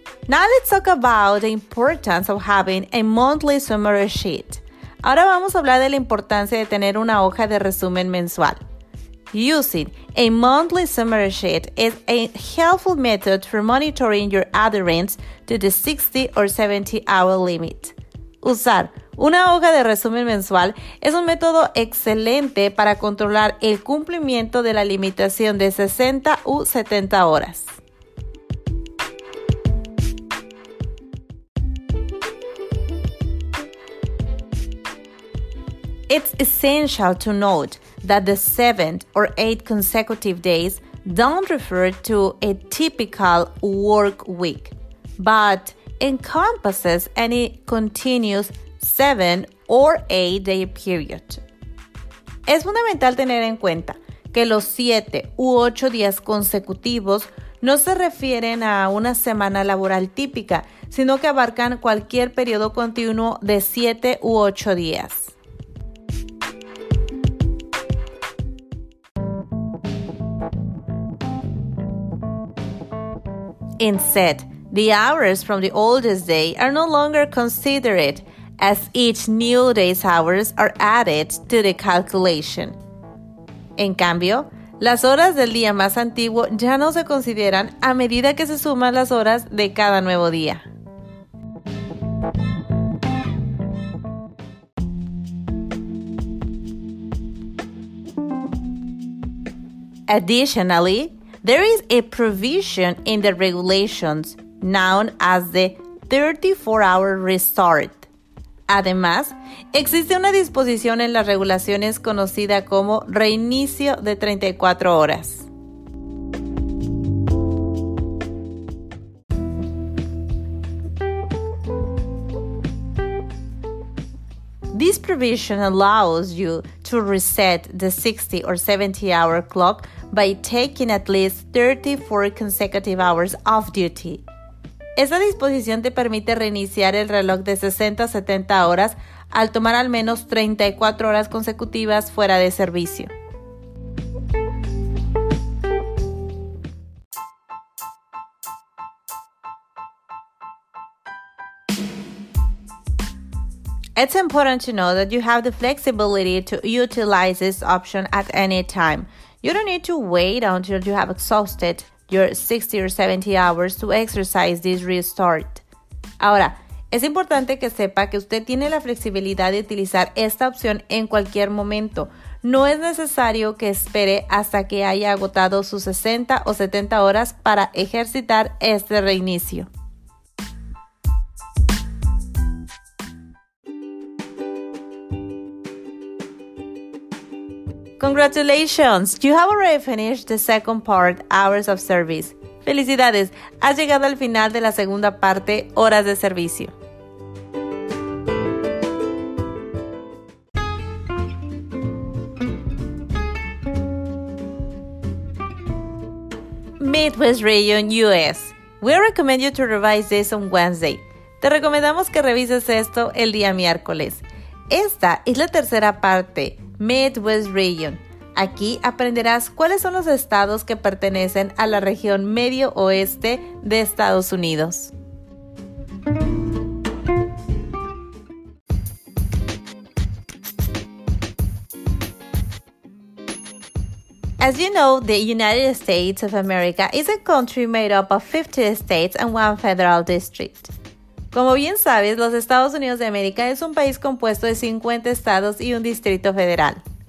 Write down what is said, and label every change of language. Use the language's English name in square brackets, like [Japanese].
[English] Now let's talk about the importance of having a monthly summary sheet. [Spanish] Ahora vamos a hablar de la importancia de tener una hoja de resumen mensual. [English] Using a monthly summary sheet is a helpful method for monitoring your adherence to the 60 or 70 hour limit. [Spanish] Usar una hoja de resumen mensual es un método excelente para controlar el cumplimiento de la limitación de 60 u 70 horas. [English] It's essential to note that the 7th or 8th consecutive days don't refer to a typical work week, but encompasses any continuous 7 or 8 day period. [Spanish] Es fundamental tener en cuenta que los 7 u 8 días consecutivos no se refieren a una semana laboral típica, sino que abarcan cualquier periodo continuo de 7 u 8 días. [English] Instead, the hours from the oldest day are no longer considered, as each new day's hours are added to the calculation. [Spanish] En cambio, las horas del día más antiguo ya no se consideran a medida que se suman las horas de cada nuevo día. [English] Additionally, there is a provision in the regulations known as the 34-hour restart. [Spanish] Además, existe una disposición en las regulaciones conocida como reinicio de 34 horas. [English] This provision allows you to reset the 60 or 70-hour clock by taking at least 34 consecutive hours off duty. [Spanish] Esta disposición te permite reiniciar el reloj de 60 a 70 horas al tomar al menos 34 horas consecutivas fuera de servicio. [English] It's important to know that you have the flexibility to utilize this option at any time. You don't need to wait until you have exhausted your 60 or 70 hours to exercise this restart. [Spanish] Ahora, es importante que sepa que usted tiene la flexibilidad de utilizar esta opción en cualquier momento. No es necesario que espere hasta que haya agotado sus 60 o 70 horas para ejercitar este reinicio. [English] Congratulations! You have already finished the second part, Hours of Service. [Spanish] ¡Felicidades! Has llegado al final de la segunda parte, Horas de Servicio. [English] Midwest Region, US. We recommend you to revise this on Wednesday. [Spanish] Te recomendamos que revises esto el día miércoles. Esta es la tercera parte, Midwest Region. Aquí aprenderás cuáles son los estados que pertenecen a la región medio oeste de Estados Unidos. [English] As you know, the United States of America is a country made up of 50 states and one federal district. [Spanish] Como bien sabes, los Estados Unidos de América es un país compuesto de 50 estados y un distrito federal.